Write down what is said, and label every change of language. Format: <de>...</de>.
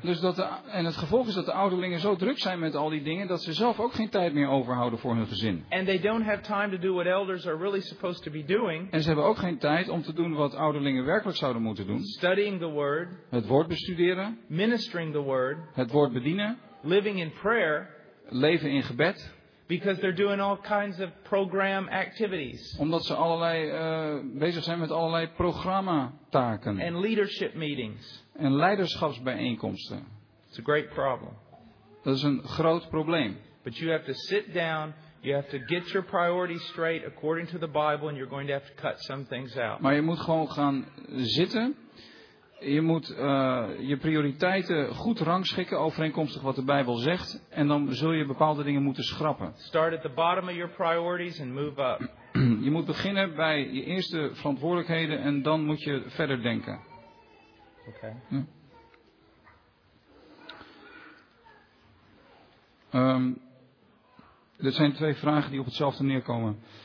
<nl>Dus en het gevolg is dat de ouderlingen zo druk zijn met al die dingen dat ze zelf ook geen tijd meer overhouden voor hun gezin.</nl> <en>And they don't have time to do what elders are really supposed to be doing.</en> <nl>En ze hebben ook geen tijd om te doen wat ouderlingen werkelijk zouden moeten.</nl> <en>Studying the word,</en> <nl>het woord bestuderen,</nl> <en>ministering the word,</en> <nl>het woord bedienen,</nl> <en>living in prayer,</en> <nl>leven in gebed,</nl> <en>because they're doing all kinds of program activities.</en> <nl>Omdat ze allerlei bezig zijn met allerlei programmataken.</nl> <en>And leadership meetings.</en> <nl>En leiderschapsbijeenkomsten.</nl> <en>It's a great problem.</en> <nl>Dat is een groot probleem.</nl> <en>But you have to sit down. You have to get your priorities straight according to the Bible and you're going to have to cut some things out.</en> <nl>Maar je moet gewoon gaan zitten. Je moet je prioriteiten goed rangschikken overeenkomstig wat de Bijbel zegt en dan zul je bepaalde dingen moeten schrappen.</nl> <en>Start at the bottom of your priorities and move up.</en> <nl>Je moet beginnen bij je eerste verantwoordelijkheden en dan moet je verder denken. Oké. Ja. Dit zijn twee vragen die op hetzelfde neerkomen.</nl>